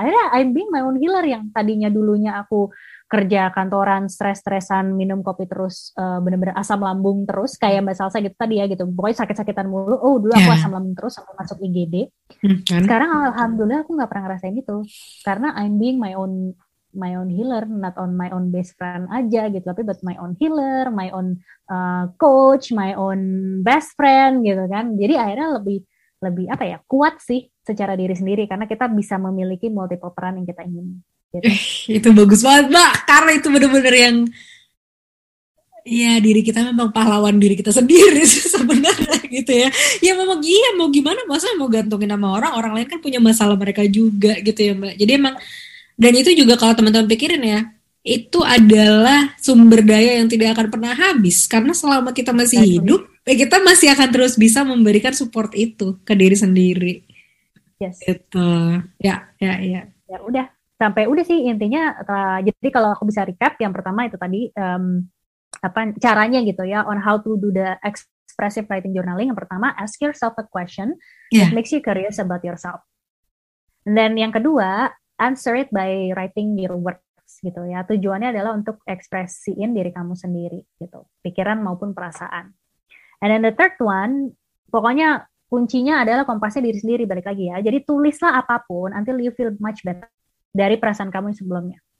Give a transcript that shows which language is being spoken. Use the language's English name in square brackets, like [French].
[Indonesian] Akhirnya [English] I'm being my own healer, [Indonesian] yang tadinya dulunya aku kerja kantoran, stres-stresan, minum kopi terus, bener-bener asam lambung terus, kayak Mbak Salsa gitu tadi ya gitu. Pokoknya sakit-sakitan mulu. Oh, dulu aku asam lambung terus sampai masuk IGD. Sekarang alhamdulillah aku gak pernah ngerasain itu. [English] Karena I'm being my own healer, not on my own best friend [Indonesian] aja gitu, tapi [English] but my own healer, my own coach, my own best friend [Indonesian] gitu kan. Jadi akhirnya lebih lebih apa ya, kuat sih secara diri sendiri, karena kita bisa memiliki multiple peran yang kita ingin. Itu bagus banget Mbak, karena itu benar-benar yang ya diri kita memang pahlawan diri kita sendiri sebenarnya gitu ya. Ya memang iya, mau gimana, maksudnya mau gantungin sama orang, orang lain kan punya masalah mereka juga gitu ya Mbak. Jadi emang, dan itu juga kalau teman-teman pikirin ya, itu adalah sumber daya yang tidak akan pernah habis, karena selama kita masih Betul. hidup, kita masih akan terus bisa memberikan support itu ke diri sendiri. [English] Yes. [Indonesian] Itu. Ya, ya, ya. Ya udah, sampai udah sih intinya. Jadi kalau aku bisa recap, yang pertama itu tadi apa caranya gitu ya, [English] on how to do the expressive writing journaling. [Indonesian] Yang pertama, [English] ask yourself a question that makes you curious about yourself. And then [Indonesian] yang kedua, [English] answer it by writing your words gitu ya. [Indonesian] Tujuannya adalah untuk ekspresiin diri kamu sendiri gitu, pikiran maupun perasaan. [English] And then the third one, [Indonesian] pokoknya kuncinya adalah kompasnya diri sendiri, balik lagi ya. Jadi tulislah apapun [English] until you feel much better [Indonesian] dari perasaan kamu yang sebelumnya.